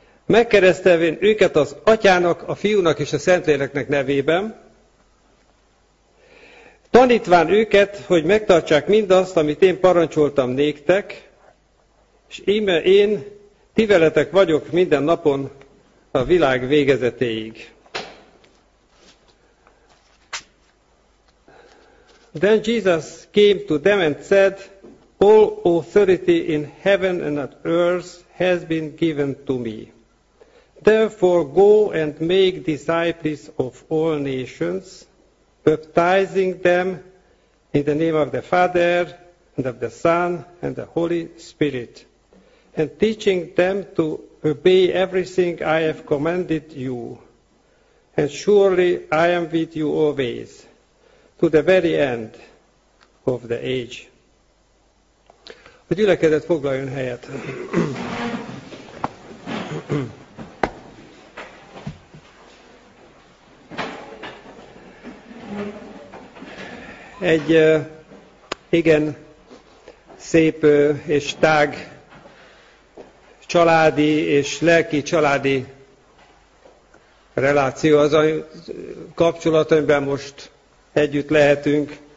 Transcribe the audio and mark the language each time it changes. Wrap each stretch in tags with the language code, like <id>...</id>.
<hu>Megkeresztelvén őket az Atyának, a Fiúnak és a Szentléleknek nevében, tanítván őket, hogy megtartsák mindazt, amit én parancsoltam néktek, és íme én ti veletek vagyok minden napon a világ végezetéig.</hu> <en>Then Jesus came to them and said, all authority in heaven and on earth has been given to me. Therefore go and make disciples of all nations, baptizing them in the name of the Father, and of the Son, and the Holy Spirit, and teaching them to obey everything I have commanded you. And surely I am with you always, to the very end of the age.</en> <hu>A gyülekezet foglaljon helyet. Egy igen szép és tág családi és lelki családi reláció az a kapcsolat, amiben most együtt lehetünk.</hu>